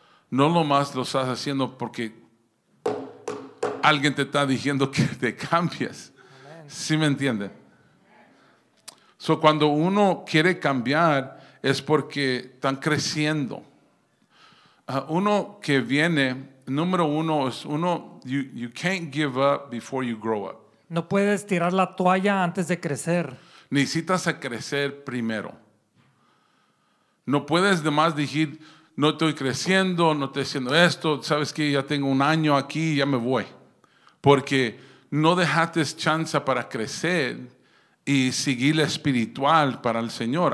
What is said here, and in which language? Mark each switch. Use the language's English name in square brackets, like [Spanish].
[Spanish] No nomás lo estás haciendo porque alguien te está diciendo que te cambies. ¿Sí me entiende? So, cuando uno quiere cambiar es porque están creciendo. Uno que viene... Número uno es uno, [English] you can't give up before you grow up. [Spanish] No puedes tirar la toalla antes de crecer. Necesitas a crecer primero. No puedes demás decir, no estoy creciendo, no estoy haciendo esto, sabes que ya tengo un año aquí, ya me voy. Porque no dejaste chance para crecer y seguir la espiritual para el Señor.